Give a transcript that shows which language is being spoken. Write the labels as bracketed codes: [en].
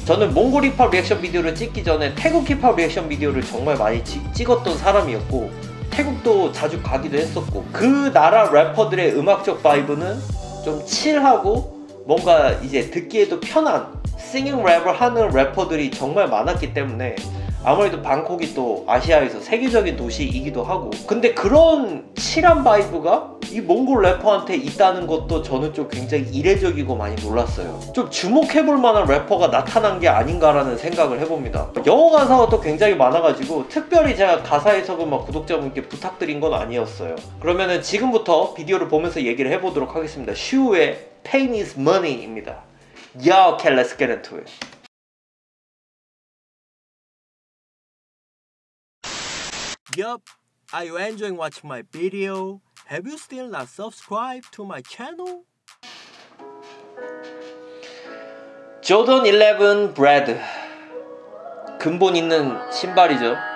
[ko] 저는 몽골 힙합 리액션 비디오를 찍기 전에 태국 힙합 리액션 비디오를 정말 많이 찍었던 사람이었고 태국도 자주 가기도 했었고 그 나라 래퍼들의 음악적 바이브는 좀 칠하고 뭔가 이제 듣기에도 편한 싱잉 랩을 하는 래퍼들이 정말 많았기 때문에 아무래도 방콕이 또 아시아에서 세계적인 도시이기도 하고 근데 그런 칠한 바이브가 이 몽골 래퍼한테 있다는 것도 저는 좀 굉장히 이례적이고 많이 놀랐어요. 좀 주목해볼 만한 래퍼가 나타난 게 아닌가라는 생각을 해봅니다. 영어 가사가 또 굉장히 많아가지고 특별히 제가 가사 해석을 막 구독자분께 부탁드린 건 아니었어요. 그러면은 지금부터 비디오를 보면서 얘기를 해보도록 하겠습니다. 슈우의 Pain is Money입니다. [en] Yo, okay, let's get into it. Yup, are you enjoying watching my video? Have you still not subscribed to my channel? [ko] Jordan 11 Brad 근본 있는 신발이죠.